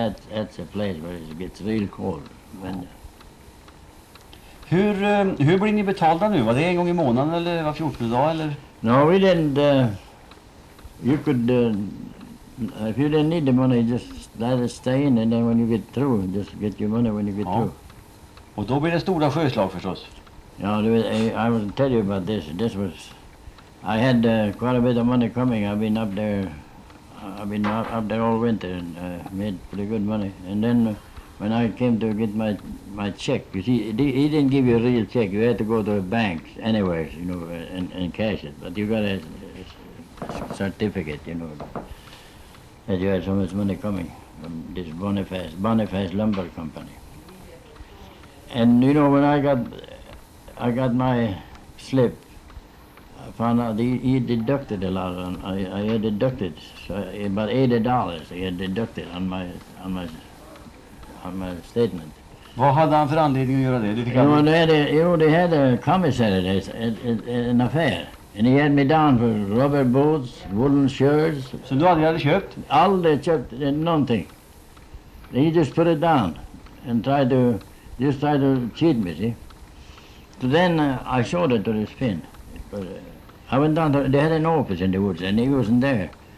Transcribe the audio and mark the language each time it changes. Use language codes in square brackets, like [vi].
[en] That's a place where it gets real cold. [sv] Hur blir ni betalda nu? Var det en gång i månaden eller var 14 dag eller? [en] No, we didn't. You could if you didn't need the money, just let it stay in, and then when you get through, just get your money when you get through. [sv] Och då blir det stora sjöslag förstås. [en] Ja, I will tell you about this. This was I had quite a bit of money coming. I've been up there all winter and made pretty good money, and then. When I came to get my check, you see, he didn't give you a real check. You had to go to a bank anywhere, you know, and cash it. But you got a certificate, you know, that you had so much money coming from this Boniface Lumber Company. And, you know, when I got my slip, I found out he deducted a lot. I had deducted about $80 he had deducted on my statement. [sv] Vad hade han för anledning att göra det? [en] They had a commissary an affair. And he had me down for rubber boots, wooden shirts. [sv] Så du hade köpt? Aldrig köpt någonting. [en] He just put it down and tried to cheat me, see? So then I showed it to this Finn. I went down, they had an office in the woods and he wasn't there.